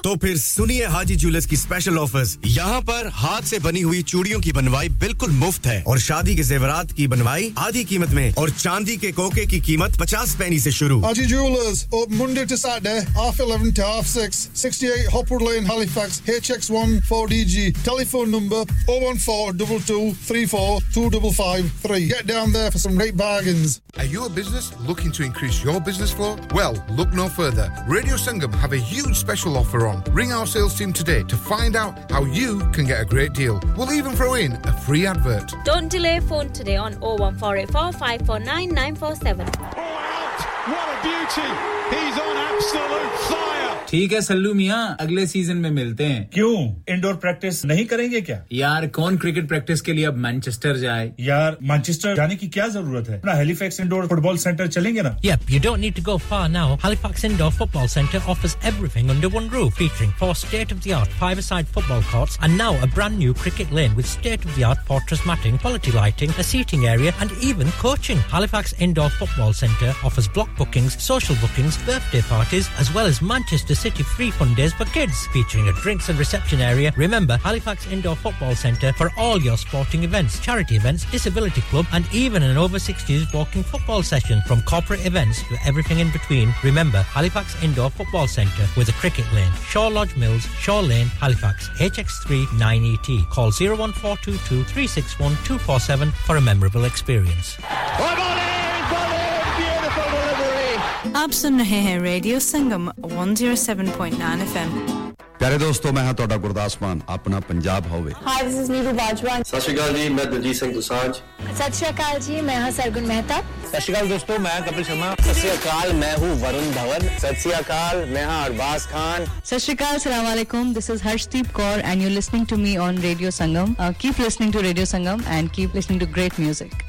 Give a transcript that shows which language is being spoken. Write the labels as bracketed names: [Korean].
[Hindi] तो फिर सुनिए हाजी जूलर्स की स्पेशल ऑफर्स यहां पर हाथ से बनी हुई चूड़ियों की बनवाई बिल्कुल मुफ्त है और शादी के जेवरात की बनवाई आधी कीमत में और चांदी के कोके की कीमत 50 पैसे से शुरू [English] Haji jewellers open Monday to Saturday half 11 to half 6 68 Hopper in Halifax, HX1 4DG. Telephone number 01422342553. Get down there for some great bargains. Are you a business looking to increase your business flow? Well, look no further. Radio Sangam have a huge special offer on. Ring our sales team today to find out how you can get a great deal. We'll even throw in a free advert. Don't delay, phone today on 01484549947. Oh, what a beauty! He's on absolute fire! [Hindi] ठीक है सल्लू मियां अगले season में मिलते हैं क्यों indoor practice नहीं करेंगे क्या यार कौन क्रिकेट प्रैक्टिस के लिए अब मैनचेस्टर जाए यार मैनचेस्टर जाने की क्या जरूरत है अपना हैलिफैक्स इंडोर फुटबॉल सेंटर चलेंगे ना [English] Yup you don't need to go far now Halifax indoor football centre offers everything under one roof featuring four state of the art five side football courts and now a brand new cricket lane with state of the art fortress matting quality lighting a seating area and even coaching Halifax indoor football centre offers block bookings social bookings birthday parties as well as Manchester The city free fun days for kids, featuring a drinks and reception area. Remember, Halifax Indoor Football Centre for all your sporting events, charity events, disability club, and even an over 60s walking football session. From corporate events to everything in between, remember Halifax Indoor Football Centre with a cricket lane. Shaw Lodge Mills, Shaw Lane, Halifax, HX3 9ET. Call 01422 361 247 for a memorable experience. [Hindi] आप सुन रहे हैं radio संगम 107.9 FM [Punjabi] ਪਿਆਰੇ ਦੋਸਤੋ ਮੈਂ ਹਾਂ ਤੁਹਾਡਾ ਗੁਰਦਾਸ ਮਾਨ ਆਪਣਾ ਪੰਜਾਬ ਹੋਵੇ [English] hi this is Neeru Bajwa [Punjabi] ਸਤਿ ਸ਼੍ਰੀ ਅਕਾਲ ਜੀ ਮੈਂ ਦਲਜੀਤ ਸਿੰਘ ਦੁਸਾਂਝ ਸਤਿ ਸ਼੍ਰੀ ਅਕਾਲ ਜੀ ਮੈਂ ਹਾਂ ਸਰਗੁਣ ਮਹਿਤਾ ਸਤਿ ਸ਼੍ਰੀ ਅਕਾਲ ਦੋਸਤੋ ਮੈਂ ਕਪਿਲ ਸ਼ਰਮਾ ਸਤਿ ਸ਼੍ਰੀ ਅਕਾਲ ਮੈਂ ਹੂੰ ਵਰੁਣ ਧਵਨ ਸਤਿ ਸ਼੍ਰੀ ਅਕਾਲ ਮੈਂ ਹਾਂ ਅਰਬਾਸ ਖਾਨ [English] ਸਤਿ ਸ਼੍ਰੀ ਅਕਾਲ ਅਸਲਾਮ ਅਲੈਕੁਮ this is Harshdeep Kaur and you are listening to me on radio Sangam keep listening to radio Sangam and keep listening to great music